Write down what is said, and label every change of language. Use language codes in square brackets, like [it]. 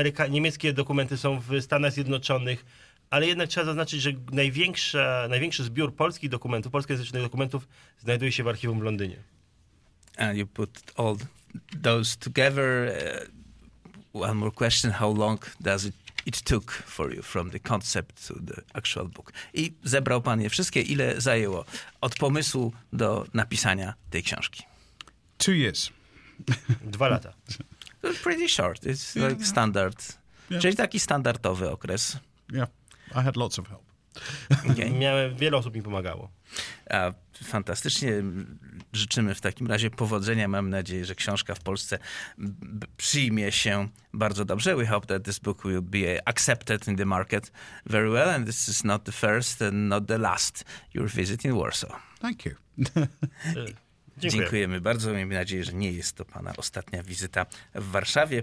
[pl] Niemieckie dokumenty są w Stanach Zjednoczonych. Ale jednak trzeba zaznaczyć, że największy zbiór polskich dokumentów, polskojęzycznych dokumentów znajduje się w archiwum w Londynie. [en] And you put all those together. One more question, how long does it took for you from the concept to the actual book? [pl] I zebrał pan je wszystkie, ile zajęło od pomysłu do napisania tej książki? [en] 2 years. [pl] 2 lata. [en] It's pretty short, it's like standard. Yeah. [pl] Czyli taki standardowy okres. [en] Yeah, I had lots of help. [pl] Okay. Wiele osób mi pomagało. Fantastycznie. Życzymy w takim razie powodzenia. Mam nadzieję, że książka w Polsce przyjmie się bardzo dobrze. [en] We hope that this book will be accepted in the market very well. And this is not the first and not the last your visit in Warsaw. Thank you. [pl] Dziękujemy bardzo. Miejmy nadzieję, że nie jest to pana ostatnia wizyta w Warszawie.